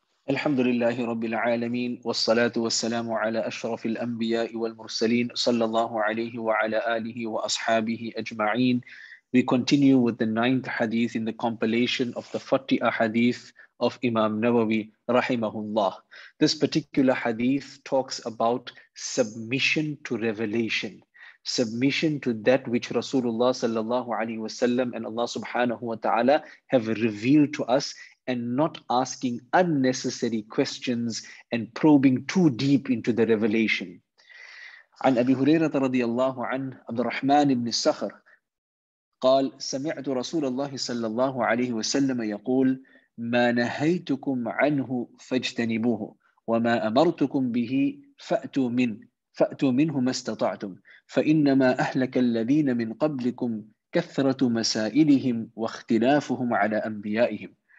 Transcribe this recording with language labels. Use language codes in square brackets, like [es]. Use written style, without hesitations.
[ar] الحمد لله رب العالمين والصلاة والسلام على أشرف الأنبياء والمرسلين صلى الله عليه وعلى آله وأصحابه أجمعين. [en] We continue with the ninth hadith in the compilation of the 40 ahadith of Imam Nawawi rahimahullah. This particular hadith talks about submission to revelation, submission to that which Rasulullah sallallahu alaihi wasallam and Allah subhanahu wa ta'ala have revealed to us, and not asking unnecessary questions and probing too deep into the revelation. [ar] عن أبي هريرة رضي الله عنه عبد الرحمن بن السخر قال سمعت رسول الله صلى الله عليه وسلم يقول ما نهيتكم عنه فاجتنبوه وما أمرتكم به فأتوا منه ما استطعتم فإنما أهلك الذين من قبلكم كثرة مسائلهم واختلافهم على أنبيائهم.